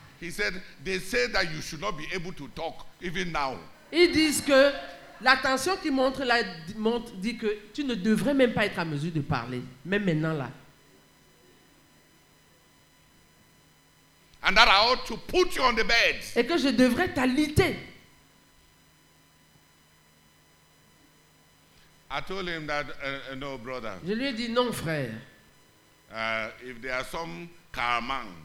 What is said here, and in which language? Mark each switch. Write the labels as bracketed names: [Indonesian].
[English] He said, they say that you should not be able to talk even now. [French] Ils disent que la tension qui montre là dit que tu ne devrais même pas être à mesure de parler, même maintenant là. [English] And that I ought to put you on the bed. [French] Et que je devrais t'aliter. [English] I told him that, no, brother. [French] Je lui ai dit non, frère. [English] If there are some calmants,